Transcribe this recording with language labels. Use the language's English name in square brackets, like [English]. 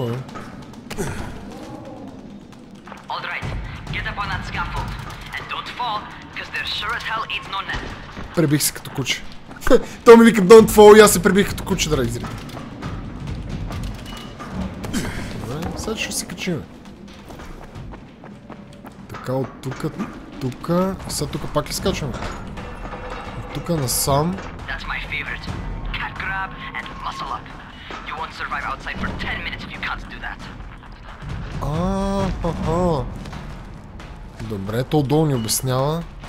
[English] Alright, get up on that scaffold. And don't fall, because there sure as hell ain't no net. [Bulgarian] Пребих се като куче. Той ми вика [English] don't fall [Bulgarian] и аз се прибих като куче да разри. Сега ще се качим. Така от тука, тука. Сега тука пак ли скачвам? От тука на сам. [English] That's my favorite. Cat grab and muscle up. You won't survive outside for 10 minutes if you can't do that. А-ха-ха. [Bulgarian] Добре, то отдолу ни обяснява.